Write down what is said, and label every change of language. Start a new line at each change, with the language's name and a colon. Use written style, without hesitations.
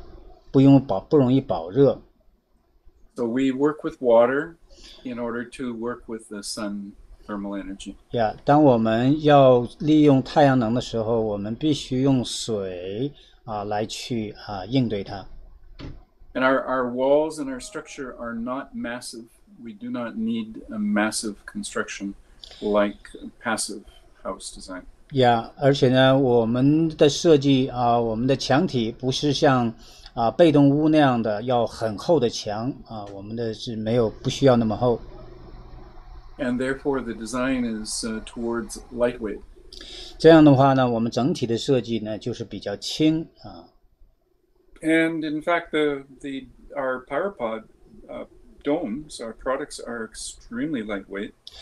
Chinese: 因为这个固体的这种东西呢，它物质呢，它不容易吸热，不容易保热。
English: So we work with water in order to work with the sun thermal energy.
Chinese: Yeah, 当我们要利用太阳能的时候，我们必须用水来去应对它。
English: And our walls and our structure are not massive. We do not need a massive construction like passive house design.
Chinese: Yeah, 而且呢，我们的设计，我们的墙体不是像被动屋那样的要很厚的墙，我们的是没有，不需要那么厚。
English: And therefore the design is towards lightweight.
Chinese: 这样的话呢，我们整体的设计呢，就是比较轻。
English: And in fact, our PyraPOD domes, our products are extremely lightweight.